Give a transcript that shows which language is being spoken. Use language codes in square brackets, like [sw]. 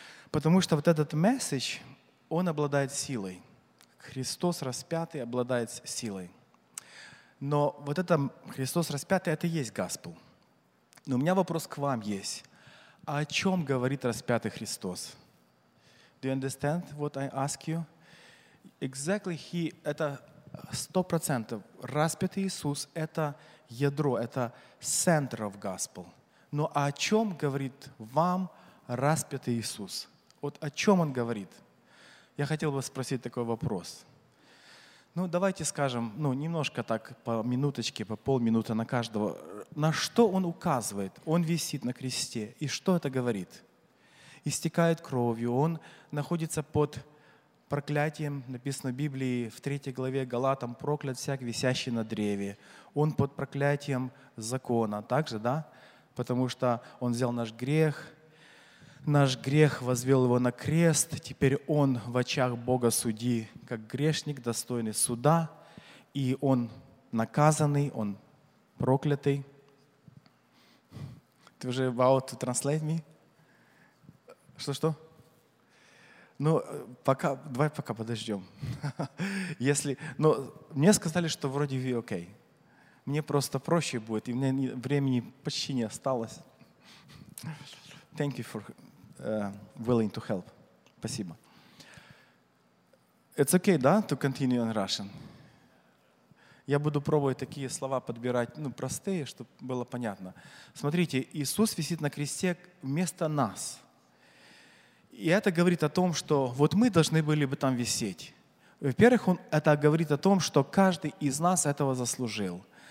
[ru] Потому что вот этот месседж, он обладает силой. Христос распятый обладает силой. Но вот это Христос распятый, это и есть Господ. Но у меня вопрос к вам есть. А о чем говорит распятый Христос? [en] Do you understand what I ask you? Exactly, he, [ru] это 100%. Распятый Иисус – это ядро, это [en] center of gospel. [ru] Но о чем говорит вам распятый Иисус? Вот о чем Он говорит? Я хотел бы спросить такой вопрос. Ну, давайте скажем, ну, немножко так, по минуточке, по полминуты на каждого. На что Он указывает? Он висит на кресте. И что это говорит? Истекает кровью. Он находится под проклятием, написано в Библии, в 3 главе Галатам, проклят всяк, висящий на древе. Он под проклятием закона. Также, да? Потому что Он взял наш грех. Наш грех возвел Его на крест. Теперь Он в очах Бога суди, как грешник, достойный суда. И Он наказанный, Он проклятый. Ты уже [en] about to translate me? [ru] Что-что? Ну, пока, давай пока подождем. Если, ну, мне сказали, что вроде вы окей. Мне просто проще будет, и у меня времени почти не осталось. [en] Thank you for willing to help. [ru] Спасибо. [en] It's okay, [ru] да, [en] to continue in Russian. [ru] Я буду пробовать такие слова подбирать, ну, простые, чтобы было понятно. Смотрите, Иисус висит на кресте вместо нас. И это говорит о том, что вот мы должны были бы там висеть. Во-первых, это говорит о том, что каждый из нас этого заслужил.